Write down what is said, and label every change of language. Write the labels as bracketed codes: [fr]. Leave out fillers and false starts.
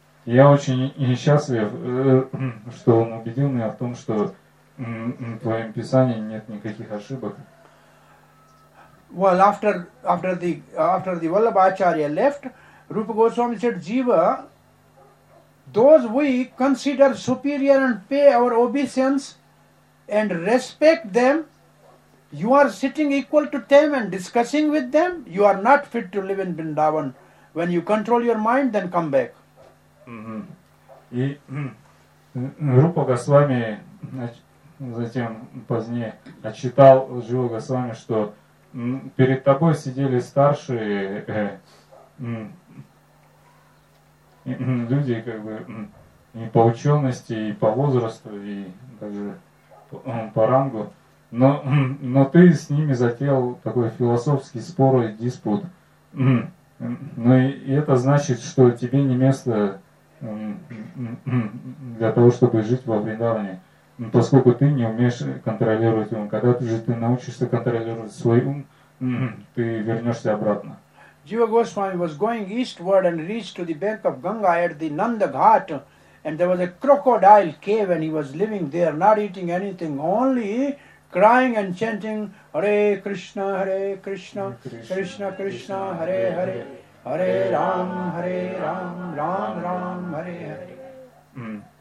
[ru] Я очень счастлив, что он убедил меня в том, что в твоем писании нет никаких ошибок. [en] Well, after the Vallabha Acharya left, Rupa Goswami said, Jiva, those we consider superior and pay our obeisance and respect them, you are sitting equal to them and discussing with them. You are not fit to live in Vrindavan. When you control your mind, then come back. [ru] И Рупа Госвами затем позднее отчитал Jiva Goswami, что перед тобой сидели старшие люди, как бы, и по учености, и по возрасту, и также по рангу. Но ты с ними затеял такой философский спор и диспут. Ну и это значит, что тебе не место для того, чтобы жить во Вриндаване, поскольку ты не умеешь контролировать ум. Когда ты же ты научишься контролировать свой ум, ты вернешься обратно. [en] Jiva Goswami was going eastward and reached to the bank of Ganga at the Nanda Ghat, and there was a crocodile cave, and he was living there, not eating anything, only crying and chanting Hare Krishna, Krishna Krishna, Hare Hare, Hare Ram, Ram Ram, Hare Hare.